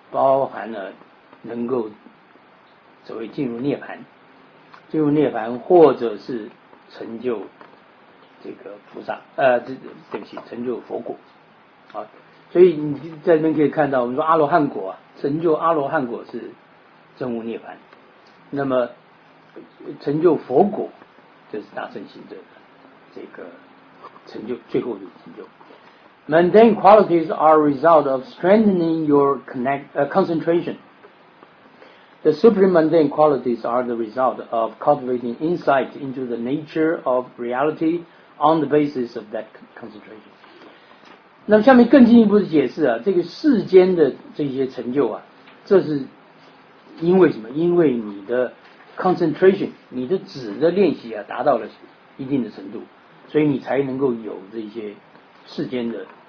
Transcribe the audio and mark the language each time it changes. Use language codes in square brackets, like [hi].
[zh] 包含了能够所谓进入涅槃，或者是成就这个菩萨，成就佛果。好，所以你在那边可以看到，我们说阿罗汉果啊，成就阿罗汉果是证悟涅槃，那么成就佛果就是大乘行者的这个成就，最后的成就。 [en] Mundane qualities are a result of strengthening your concentration. The supermundane qualities are the result of cultivating insight into the nature of reality on the basis of that concentration. [zh] 那么下面更进一步的解释啊，这个世间的这些成就啊，这是因为什么？因为你的 concentration， 你的止的练习啊，达到了一定的程度，所以你才能够有这些世间的。